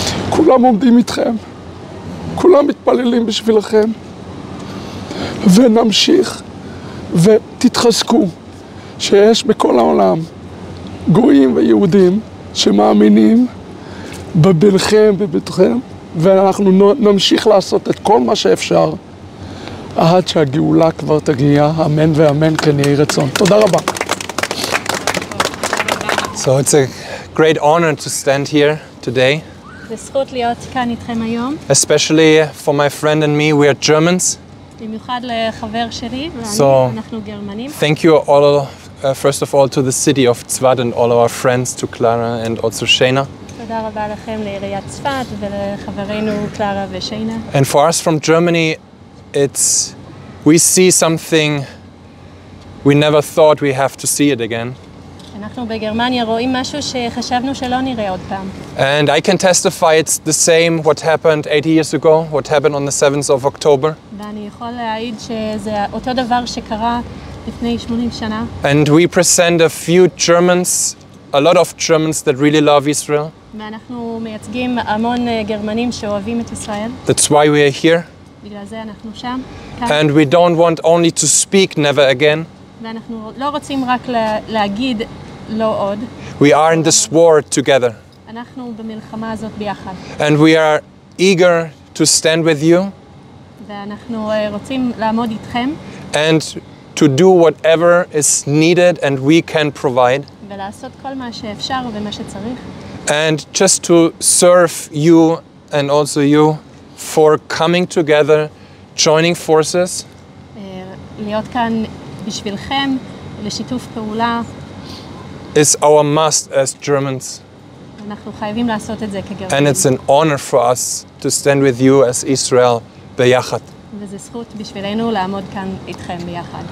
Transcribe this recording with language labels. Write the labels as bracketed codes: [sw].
[he] כולם עומדים איתכם, כולם מתפללים בשבילכם, ונמשיך ותתחזקו שיש בכל העולם גויים ויהודים שמאמינים בביניכם ובתוכם, ואנחנו נמשיך לעשות את כל מה שאפשר עד שהגאולה כבר תגיע, אמן ואמן, כן יהי רצון. תודה רבה. [en] So it's a great honor to stand here today. [he] לזכות להיות כאן איתכם היום. [en] Especially for my friend and me, we are Germans. [he] במיוחד לחבר שלי ואנחנו גרמנים. [en] So thank you all first of all to the city of Tsfat and all our friends, to Clara and also Shaina. [he] תודה רבה לכם לעיריית צפת ולחברינו קלרה ושיינה. [en] And for us from Germany, it's we see something we never thought we have to see it again. [he] אנחנו בגרמניה רואים משהו שחשבנו שלא נראה עוד פעם. [en] And I can testify it's the same what happened 80 years ago, what happened on the 7th of October. [he] ואני יכול להעיד שזה אותו דבר שקרה לפני 80 שנה. [en] And we present a few Germans, a lot of Germans that really love Israel. [he] ואנחנו מייצגים המון גרמנים שאוהבים את ישראל. [en] That's why we are here. [he] בגלל זה אנחנו שם. [en] And we don't want only to speak never again. [he] ואנחנו לא רוצים רק להגיד לא עוד. [en] We are in this war together. [he] אנחנו במלחמה הזאת ביחד. [en] And we are eager to stand with you. [he] ואנחנו רוצים לעמוד איתכם. [en] And to do whatever is needed and we can provide. [he] ולעשות כל מה שאפשר ומה שצריך. [en] And just to serve you and also you for coming together, joining forces. [he] להיות כאן בשבילכם לשיתוף פעולה. [en] It's our must as Germans. [he] אנחנו חייבים לעשות את זה כגרמנים. [en] And it's an honor for us to stand with you as Israel [he] ביחד. וזה זכות בשבילנו לעמוד כאן איתכם ביחד.